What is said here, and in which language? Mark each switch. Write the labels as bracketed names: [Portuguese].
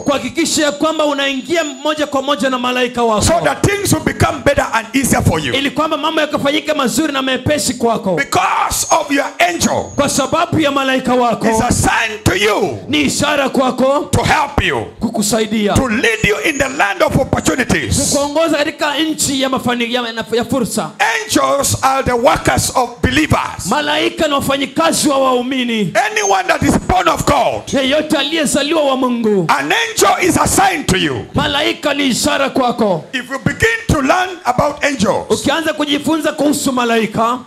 [Swahili] Kuhakikisha kwamba unaingia moja kwa moja na malaika wako. [English] So that things will become better and easier for you. [Swahili] Ili kwamba mambo yakafanyike mazuri na mepesi kwako. [English] Because of your angel. [Swahili] Kwa sababu ya malaika wako. [English] It's a sign to you. [Swahili] Ni ishara kwako. [English] To help you. [Swahili] Kukusaidia. [English] To lead you in the land of opportunities. [Swahili] Kukuongoza katika nchi ya mafanikio ya fursa. [English] Angels are the workers of believers. [Swahili] Malaika ni wafanyikazi wa waumini. [English] Anyone that is born of God. [Swahili] Yeyote aliyezaliwa wa Mungu. [English] An angel is assigned to you. [Swahili] Malaika ni ishara kwako. [English] If you begin to learn about angels. [Swahili] Ukianza kujifunza kuhusu malaika.